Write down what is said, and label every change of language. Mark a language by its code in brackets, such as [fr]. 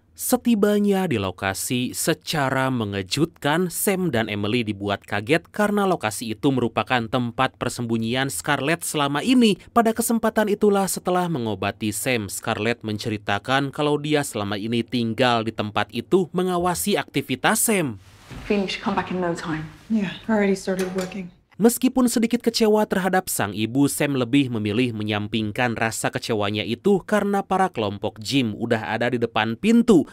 [id] Setibanya di lokasi, secara mengejutkan, Sam dan Emily dibuat kaget karena lokasi itu merupakan tempat persembunyian Scarlett selama ini. Pada kesempatan itulah, setelah mengobati Sam, Scarlett menceritakan kalau dia selama ini tinggal di tempat itu mengawasi aktivitas Sam. [en] Finish, come back in no time. Yeah, already started working. [id] Meskipun sedikit kecewa terhadap sang ibu, Sam lebih memilih menyampingkan rasa kecewanya itu karena para kelompok Jim udah ada di depan pintu.